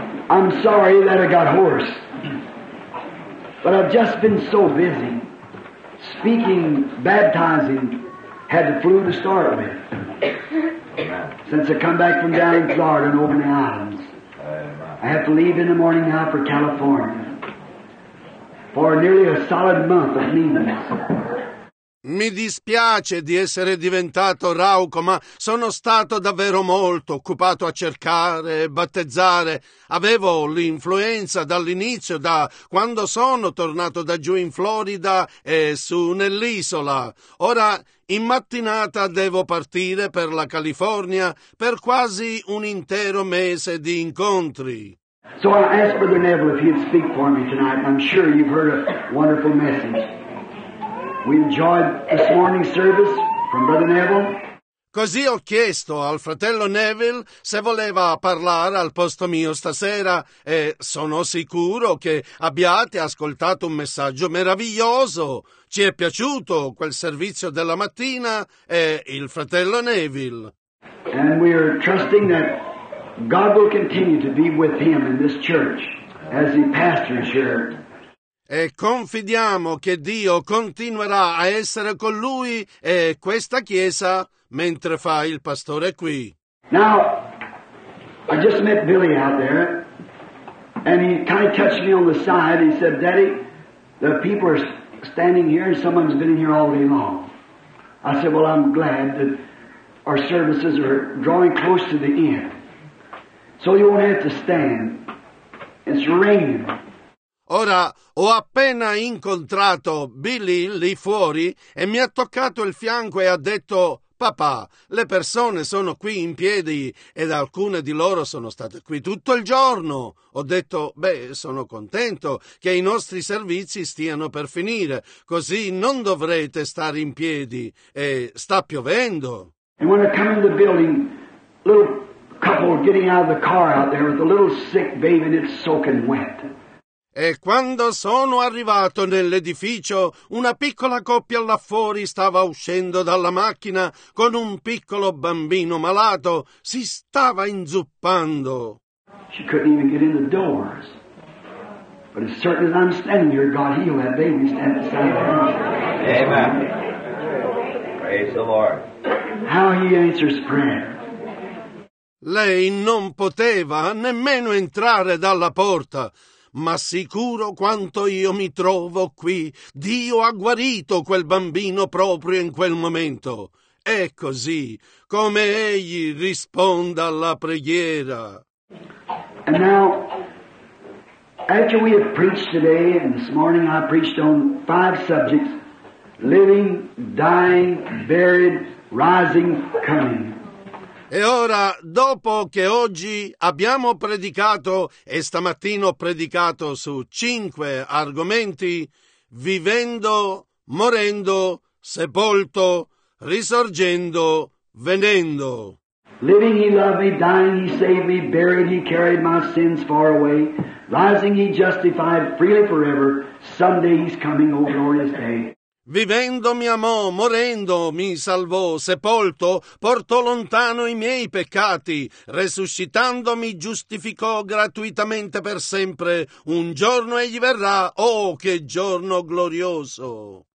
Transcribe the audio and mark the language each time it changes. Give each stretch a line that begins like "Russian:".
English: I'm sorry that I got hoarse, but I've just been so busy speaking, baptizing, had the flu to start with, since I come back from down in Florida and over in the islands. I have to leave in the morning now for California for nearly a solid month of meetings.
Italian: Mi dispiace di essere diventato rauco, ma sono stato davvero molto occupato a cercare e battezzare. Avevo l'influenza dall'inizio, da quando sono tornato da giù in Florida e su nell'isola. Ora, in mattinata, devo partire per la California per quasi un intero mese di incontri.
English: So I asked Brother Neville if he'd speak for me tonight. I'm sure you've heard a wonderful message. We enjoyed this morning service from Brother Neville.
Italian: Così ho chiesto al fratello Neville se voleva parlare al posto mio stasera e sono sicuro che abbiate ascoltato un messaggio meraviglioso. Ci è piaciuto quel servizio della mattina e il fratello Neville.
English: And we are trusting that God will continue to be with him in this church as he pastors here.
Italian: E confidiamo che Dio continuerà a essere con lui e questa chiesa mentre fa il pastore qui.
English: Now, I just met Billy out there, and he kind of touched me on the side. He said, "Daddy, the people are standing here, and someone's been here all day long." I said, "Well, I'm glad that our services are drawing close to the end, so you won't have to stand. It's raining."
Italian: Ora, ho appena incontrato Billy lì fuori e mi ha toccato il fianco e ha detto: "Papà, le persone sono qui in piedi ed alcune di loro sono state qui tutto il giorno." Ho detto: "Beh, sono contento che i nostri servizi stiano per finire, così non dovrete stare in piedi e sta piovendo."
English: And when I come in the building, little couple getting out of the car out there with a little sick baby and it's soaking wet.
Italian: E quando sono arrivato nell'edificio, una piccola coppia là fuori stava uscendo dalla macchina con un piccolo bambino malato. Si stava inzuppando.
English: She couldn't even get in the doors. But as certain as I'm standing here, God healed that baby standing beside her. Amen. Praise the Lord. How he answers prayer.
Italian: Lei non poteva nemmeno entrare dalla porta. Ma sicuro quanto io mi trovo qui, Dio ha guarito quel bambino proprio in quel momento. È così come egli risponda alla preghiera.
English: And now, After we have preached today, and this morning I preached on five subjects: living, dying, buried, rising, coming.
Italian: E ora, dopo che oggi abbiamo predicato e stamattina ho predicato su cinque argomenti, vivendo, morendo, sepolto, risorgendo, venendo.
English: Living he loved me, dying he saved me, buried he carried my sins far away, rising he justified freely forever, someday he's coming, oh glorious day.
Italian: Vivendo mi amò, morendo mi salvò, sepolto portò lontano i miei peccati, resuscitandomi giustificò gratuitamente per sempre, un giorno egli verrà, oh che giorno glorioso.